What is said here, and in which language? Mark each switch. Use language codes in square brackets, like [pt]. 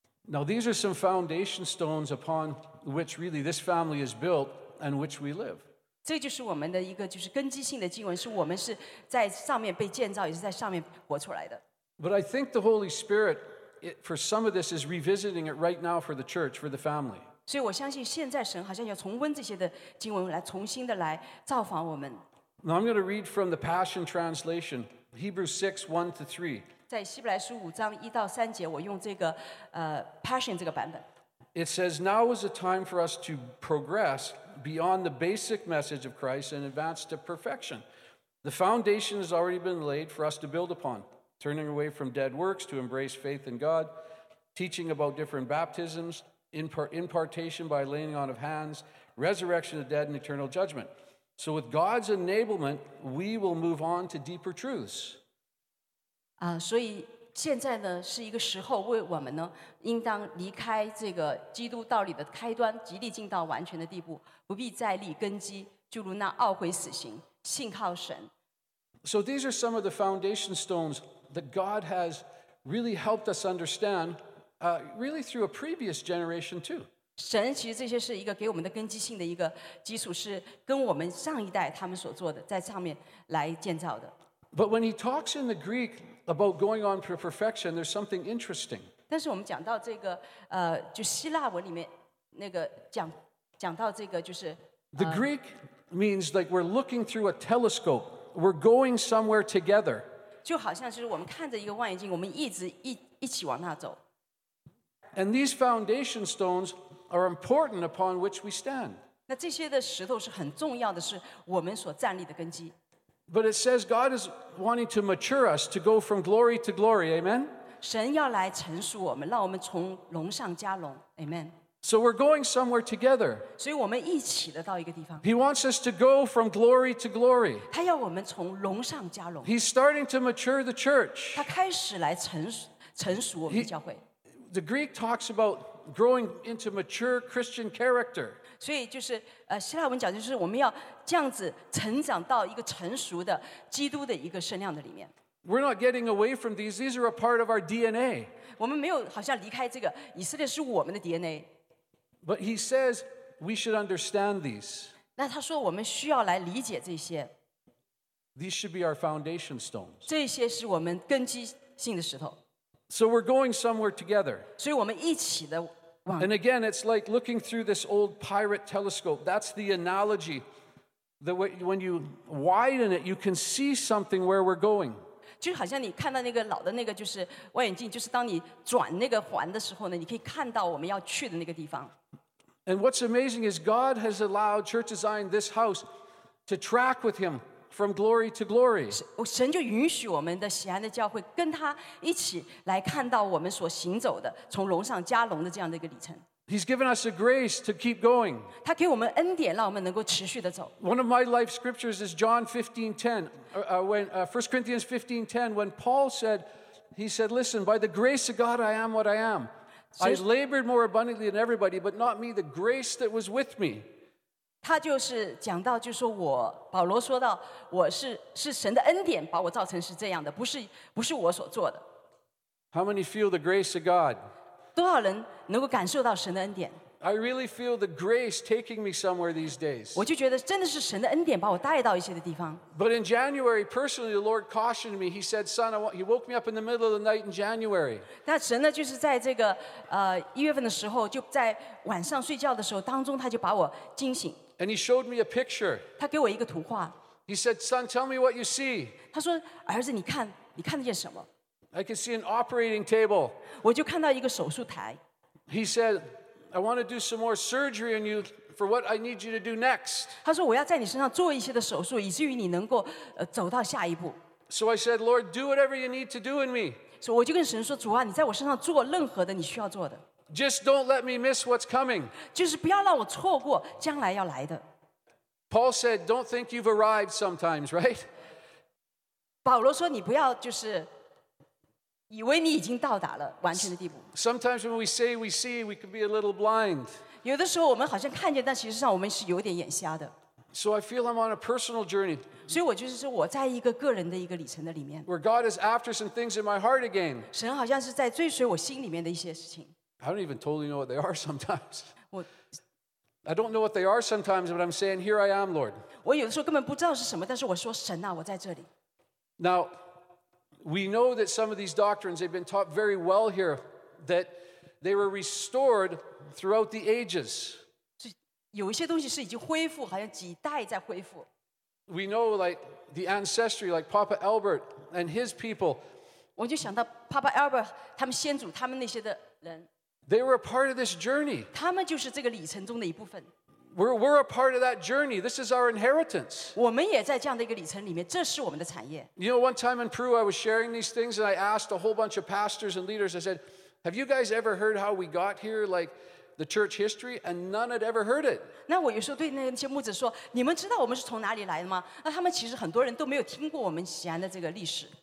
[en] Now these are some foundation stones upon which really this family is built and which we live. [zh] 这就是我们的一个就是根基性的经文，是我们是在上面被建造，也是在上面活出来的。 [en] But I think the Holy Spirit, for some of this, is revisiting it right now for the church, for the family. [zh] 所以我相信现在神好像要重温这些的经文，来重新的来造访我们。 [en] Now I'm going to read from the Passion Translation, Hebrews 6, 1 to 3. [zh] 在希伯来书五章一到三节，我用这个Passion 这个版本。 [en] It says, "Now is the time for us to progress beyond the basic message of Christ and advance to perfection. The foundation has already been laid for us to build upon, turning away from dead works to embrace faith in God, teaching about different baptisms, impartation by laying on of hands, resurrection of the dead, and eternal judgment. So, with God's enablement, we will move on to deeper truths." [zh] 所以现在呢是一个时候，为我们呢应当离开这个基督道理的开端，极力进到完全的地步，不必再立根基，就如那懊悔死刑，信靠神。 [en] So these are some of the foundation stones that God has really helped us understand, really through a previous generation too. [zh] 神其实这些是一个给我们的根基性的一个基础，是跟我们上一代他们所做的在上面来建造的。 [en] But when he talks in the Greek about going on for perfection, there's something interesting. [zh] 但是我们讲到这个，就希腊文里面那个讲到这个就是。 [en] The Greek means like we're looking through a telescope. We're going somewhere together. [zh] 就好像就是我们看着一个望远镜，我们一直一起往那走。 [en] And these foundation stones are important upon which we stand. [zh] 那这些的石头是很重要的，是我们所站立的根基。 [en] But it says God is wanting to mature us to go from glory to glory, amen? [zh] 神要来成熟我们，让我们从荣上加荣， amen. [en] So we're going somewhere together. [zh] 所以我们一起的到一个地方。 [en] He wants us to go from glory to glory. [zh] 他要我们从荣上加荣。 [en] He's starting to mature the church. [zh] 他开始来成熟我们教会。 [en] The Greek talks about growing into mature Christian character. [zh] 所以就是希腊文讲就是我们要这样子成长到一个成熟的基督的一个身量的里面。 [en] We're not getting away from these. These are a part of our DNA. [zh] 我们没有好像离开这个以色列是我们的 DNA. [en] But he says we should understand these. [zh] 那他说我们需要来理解这些。 [en] These should be our foundation stones. [zh] 这些是我们根基性的石头。 [en] So we're going somewhere together. [zh] 所以我们一起的。 [en] And again, it's like looking through this old pirate telescope. That's the analogy. That when you widen it, you can see something where we're going. [zh] 就好像你看到那个老的那个就是望远镜，就是当你转那个环的时候呢，你可以看到我们要去的那个地方。 [en] And what's amazing is God has allowed Church Design this house to track with Him from glory to glory. [zh] 神就允许我们的西安的教会跟他一起来看到我们所行走的从荣上加荣的这样的一个里程。 [en] He's given us a grace to keep going. [zh] 他给我们恩典，让我们能够持续的走。 [en] One of my life scriptures is John 15:10, First Corinthians 15:10, when Paul said, he said, "Listen, by the grace of God, I am what I am. I labored more abundantly than everybody, but not me. The grace that was with me." [zh] 他就是讲到，就是说我保罗说到，我是神的恩典把我造成是这样的，不是我所做的。 [en] How many feel the grace of God? [zh] 多少人能够感受到神的恩典 [en] ？I really feel the grace taking me somewhere these days. [zh] 我就觉得真的是神的恩典把我带到一些的地方。 [en] But in January, personally, the Lord cautioned me. He said, "Son, he woke me up in the middle of the night in January." [zh] 那神呢，就是在这个一月份的时候，就在晚上睡觉的时候当中，他就把我惊醒。 [en] And he showed me a picture. [zh] 他给我一个图画。 [en] He said, "Son, tell me what you see." [zh] 他说，儿子，你看见什么？ [en] I could see an operating table. [zh] 我就看到一个手术台。 [en] He said, I want to do some more surgery on you for what I need you to do next. [zh] 他说我要在你身上做一些的手术，以至于你能够走到下一步。 [en] So I said, Lord, do whatever you need to do in me. [zh] 所以我就跟神说，主啊，你在我身上做任何的你需要做的。 [en] Just don't let me miss what's coming. [zh] 就是不要让我错过将来要来的。 [en] Paul said, don't think you've arrived sometimes, right? [zh] 保罗说你不要就是以为你已经到达了完全的地步。 [en] Sometimes when we say we see, we can be a little blind. [zh] 有的时候我们好像看见，但其实上我们是有点眼瞎的。 [en] So I feel I'm on a personal journey. [zh] 所以我就是说我在一个个人的一个里程的里面。 [en] Where God is after some things in my heart again. [zh] 神好像是在追随我心里面的一些事情。 [en] I don't even totally know what they are sometimes. I don't know what they are sometimes, but I'm saying, here I am, Lord. [zh] 我有的时候根本不知道是什么，但是我说神啊，我在这里。 [en] Now, we know that some of these doctrines, they've been taught very well here, that they were restored throughout the ages. [zh] 是有一些东西是已经恢复，好像几代在恢复。 [en] We know like the ancestry, like Papa Albert and his people. [zh] 我就想到 Papa Albert 他们先祖他们那些的人。 [en] They were a part of this journey. [zh] 他们就是这个里程中的一部分。 [en] We're a part of that journey. This is our inheritance. [zh] 我们也在这样的一个里程里面，这是我们的产业。 [en] You know, one time in Peru, I was sharing these things, and I asked a whole bunch of pastors and leaders. I said, "Have you guys ever heard how we got here, like the church history?" And none had ever heard it. [zh] 那我有时候对那些牧者说，你们知道我们是从哪里来的吗？那他们其实很多人都没有听过我们西安的这个历史。